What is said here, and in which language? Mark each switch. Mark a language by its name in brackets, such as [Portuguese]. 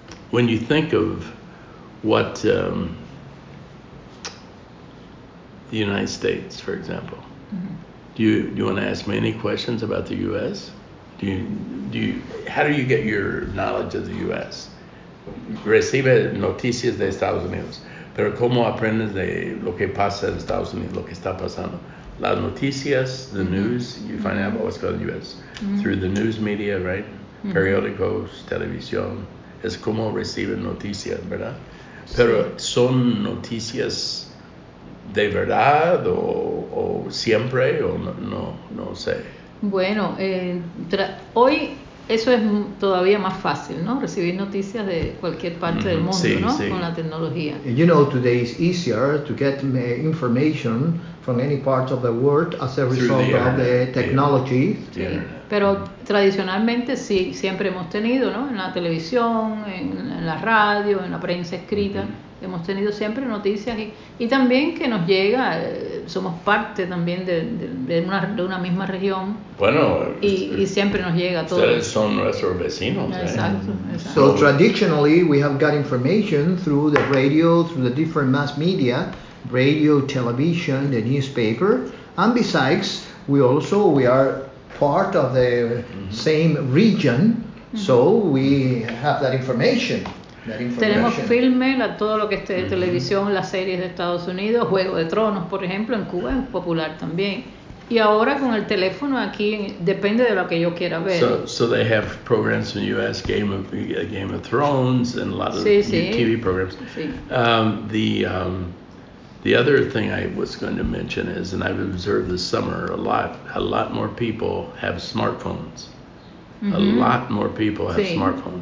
[English] When you think of what the United States, for example. Do you want to ask me any questions about the U.S.? How do you get your knowledge of the U.S.? [Spanish] Recibe noticias de Estados Unidos, pero cómo aprendes de lo que pasa en Estados Unidos, lo que está pasando. Las noticias, [English] the news, you find out about what's going on in the U.S. Through the news media, right? [Spanish] Periódicos, televisión, es como recibe noticias, ¿verdad? Pero son noticias de verdad o siempre o no sé. Bueno, hoy Eso es todavía más fácil, ¿no? Recibir noticias de cualquier parte del mundo, sí, ¿no? Sí. Con la tecnología. [English] You know, today is easier to get information from any part of the world as a result of the technology. Yeah. [Spanish] Sí. [English] The [Spanish] Pero tradicionalmente sí, siempre hemos tenido, ¿no? En la televisión, en la radio, en la prensa escrita, hemos tenido siempre noticias y también que nos llega, somos parte también de una misma región. Bueno, y siempre nos llega todo. Ustedes son nuestros vecinos. Exacto. [English] So traditionally we have got information through the radio, through the different mass media, radio, television, the newspaper, and besides, we are part of the same region, so we have that information. [Spanish] Tenemos filmes, todo lo que es televisión, las series de Estados Unidos, Juego de Tronos, por ejemplo, en Cuba es popular también. Y ahora con el teléfono aquí depende de lo que yo quiera ver. [English] So they have programs in the U.S. Game of Thrones and a lot of TV programs. [Spanish] Sí. [English] The other thing I was going to mention is, and I've observed this summer a lot more people have smartphones. Mm-hmm. A lot more people have smartphones.